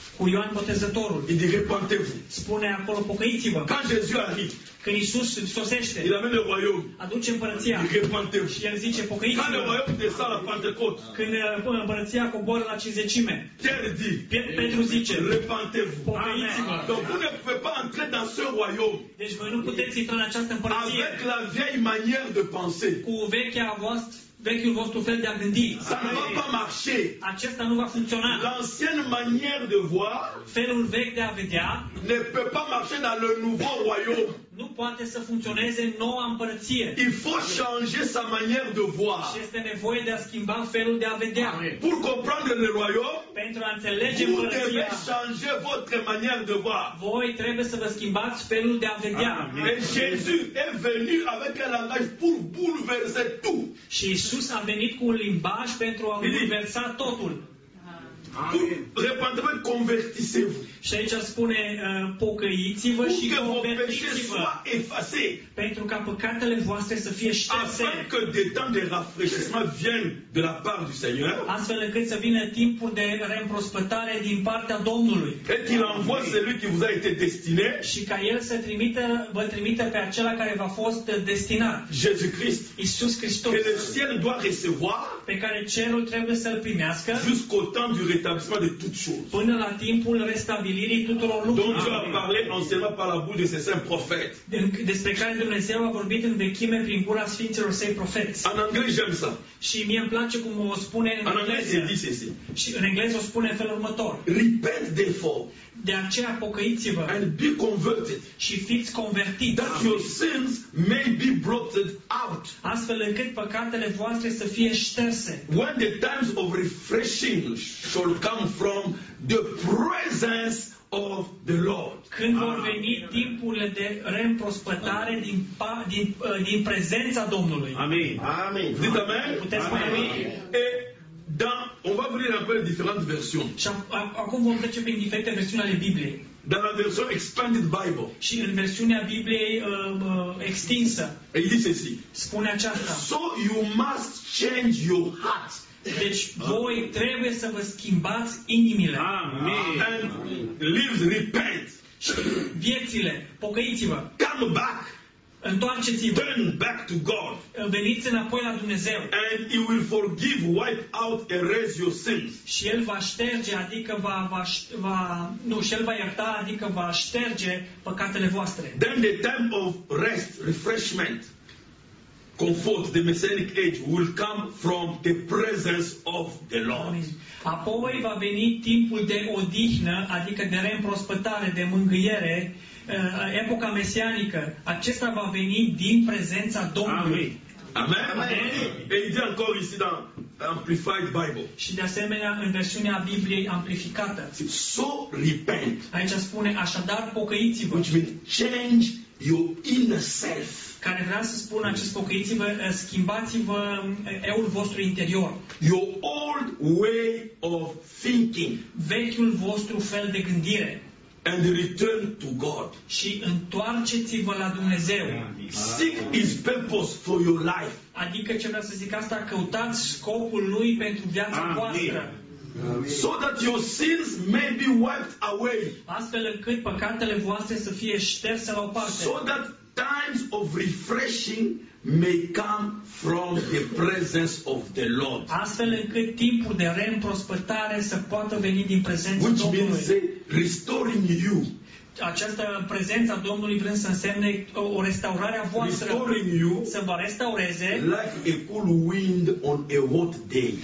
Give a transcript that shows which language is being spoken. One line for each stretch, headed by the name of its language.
Romanian: Cu Ioan Botezătorul.
French: Il dit repentez-vous.
Romanian: Spune acolo pocăiți-vă.
French: Quand Jésus arrive.
Romanian: Când Iisus sosește.
French: Il amène le royaume.
Romanian: Aduce împărăția.
French: Il dit repentez-vous.
Romanian: Și el zice pocăiți-vă.
French: Quand le royaume descend la Pentecôte.
Romanian: Când împărăția coboară la cincizecime.
French: Pierre dit.
Romanian: Petru zice.
French: Repentez-vous.
Romanian: Pocăiți-vă.
French: Donc vous ne pouvez pas entrer dans ce royaume.
Romanian: Deci voi nu puteți intra în această împărăție.
French: Avec la vieille manière de penser.
Romanian: Cu vechea voastră. Vechiul vostru fel de a gândi.
French: Ça ne va pas marcher.
Romanian: Acesta nu va funcționa.
French: L'ancienne manière de voir.
Romanian: Felul vechi de a vedea.
French: Ne peut pas marcher dans le nouveau royaume.
Romanian: Nu poate să funcționeze în noua împărăție.
French: Il faut changer sa manière de voir.
Romanian: Și este nevoie de a schimba felul de a vedea.
French: Pour comprendre le royaume.
Romanian: Pentru a înțelege împărăția.
French: Vous devez changer votre manière de voir.
Romanian: Voi trebuie să vă schimbați felul de a vedea.
French: Et Jésus est venu avec un langage pour bouleverser tout.
Romanian: Și Iisus a venit cu un limbaj pentru a bouleversa totul.
French: Repentez-vous, convertissez-vous.
Romanian: Și aici spune pocăiți-vă și convertiți-vă. Pentru ca păcatele voastre să fie șterse.
French: Afin que des temps de rafraîchissement viennent de la part du Seigneur.
Romanian: Astfel încât să vină timpul de reîmprospătare din partea Domnului.
French: Et qu'il envoie celui qui vous a été destiné.
Romanian: Și ca el să trimită, vă trimită pe acela care v-a fost destinat.
French: Jésus-Christ.
Romanian: Iisus Hristos.
French: Que le ciel doit recevoir.
Romanian: Pe care cerul trebuie să-l primească.
French: Jusqu'au temps du rétablissement de toutes choses.
Romanian: Până la timpul restabilirii.
French: Dont Dieu a parlé anciennement par la bouche de ses saints prophètes.
Romanian: Despre care Dumnezeu a vorbit în vechime prin gura sfinților săi profeți. În engleză
French: j'aime ça.
Romanian: Și mie îmi place cum o spune în engleză. Și în engleză o spune în felul următor.
English: Repent therefore.
Romanian: De aceea pocăiți-vă.
English: And be converted.
Romanian: Și fiți convertiți.
English: That your sins may be blotted out.
Romanian: Astfel încât păcatele voastre să fie șterse.
English: When the times of refreshing shall come from the presence of the Lord.
Romanian: Când vor veni timpurile de reîmprospătare din prezența Domnului. Amin. Amin. Amin. Puteți spune amin.
French: Dans, on va vous lire un peu les différentes versions.
Romanian: Acum vom trece prin diferite versiuni ale Bibliei.
French: Dans la version expanded Bible.
Romanian: Și în versiunea Bibliei extinsă.
French: Et il dit ceci.
Romanian: Spune aceasta.
English: So you must change your heart.
Romanian: Deci voi trebuie să vă schimbați inimile.
English: Amen. And live, repent.
Romanian: Viețile, pocăiți-vă.
English: Come back.
Romanian: Întoarceți-vă.
English: Turn back to God.
Romanian: Veniți înapoi la Dumnezeu.
English: And he will forgive, wipe out, erase your sins.
Romanian: Și el va șterge, adică va ierta, adică va șterge păcatele voastre.
English: Then the time of rest, refreshment, comfort, the messianic age will come from the presence of the Lord.
Romanian: Apoi va veni timpul de odihnă, adică de reîmprospătare, de mângâiere, epoca mesianică. Acesta va veni din prezența Domnului.
English: Amen. Amen. Amen.
French: Et il dit encore ici dans Amplified Bible.
Romanian: Și de asemenea în versiunea Bibliei amplificată.
English: So repent.
Romanian: Aici spune așadar pocăiți-vă.
English: Which means change your inner self.
Romanian: Care vrea să spună acest pocăiți-vă, schimbați-vă eul vostru interior.
English: Your old way of thinking.
Romanian: Vechiul vostru fel de gândire.
English: And return to God.
Romanian: Și întoarceți-vă la Dumnezeu.
English: Seek his purpose for your life.
Romanian: Adică ce vreau să zic asta, căutați scopul lui pentru viața voastră.
English: So that your sins may be wiped away.
Romanian: Astfel încât păcatele voastre să fie șterse la o parte.
English: So that times of refreshing may come from the presence of the Lord.
Romanian: Astfel încât timpul de reîmprospătare să poată veni din prezența
English: Which
Romanian: Domnului.
English: Which means restoring you.
Romanian: Această prezență a Domnului vrând să însemne o restaurare a voastră, să vă restaureze
English: like a cool wind on a hot day.